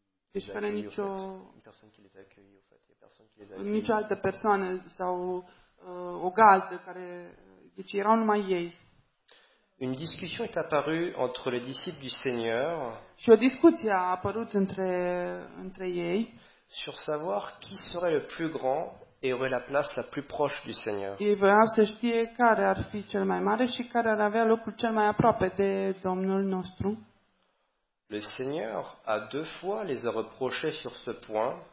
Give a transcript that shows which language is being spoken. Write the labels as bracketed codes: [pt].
[ro] Deci fără nicio altă persoană sau o gazdă care, deci erau numai ei. [fr] Une discussion est apparue entre les disciples du Seigneur. [ro] Și o discuție a apărut între ei. [fr] Sur savoir qui serait le plus grand et aurait la place la plus proche du Seigneur. [ro] Ei voiau să știe care ar fi cel mai mare și care ar avea locul cel mai aproape de Domnul nostru. [fr] Le Seigneur a deux fois les a reprochés sur ce point.